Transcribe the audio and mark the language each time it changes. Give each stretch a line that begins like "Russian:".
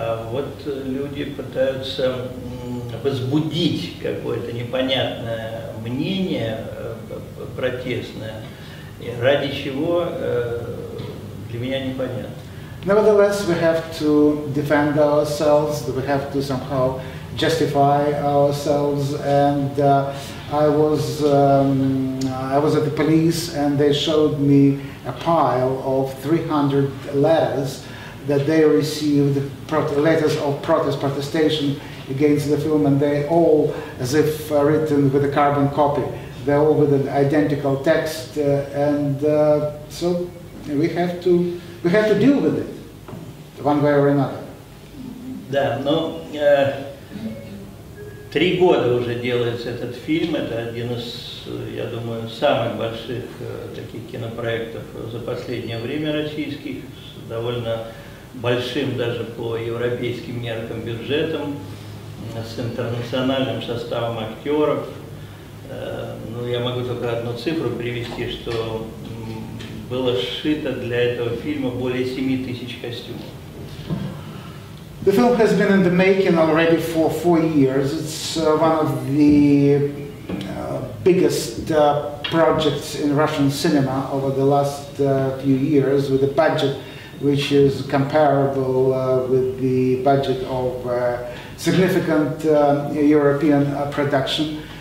Russian: Вот люди пытаются возбудить какое-то непонятное мнение протестное, и ради чего для меня непонятно.
English: Nevertheless, we have to defend ourselves, we have to somehow justify ourselves, and I was at the police and they showed me a pile of 300 letters that they received, letters of protestation against the film, and they all, as if written with a carbon copy, they all with an identical text, so we have to deal with it, one way or another.
Russian: Да, но три года уже делается этот фильм, это один из, я думаю, самых больших таких кинопроектов за последнее время российских, довольно большим даже по европейским меркам бюджетом, с интернациональным составом актеров. Ну, я могу только одну цифру привести, что было сшито для этого фильма более 7000 костюмов.
English: The film has been in the making already for 4 years. It's one of the biggest projects in Russian cinema over the last few years, with a budget which is comparable with the budget of significant European production.